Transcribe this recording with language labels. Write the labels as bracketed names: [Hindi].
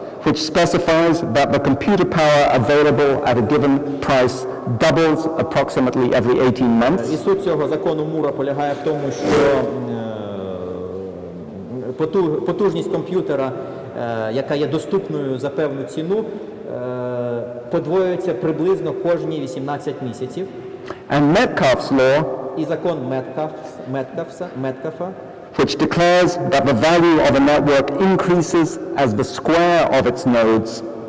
[English] which specifies that the computer power available at a given price doubles approximately every 18 months. [Ukrainian] І суть цього закону Мура полягає в тому, що потужність комп'ютера, яка є доступною за певну ціну, подвоюється приблизно кожні 18 місяців. [English] And Metcalfe's law, [Ukrainian] і закон Metcalfe's, [English] which declares that the value of a network increases as the square of its nodes.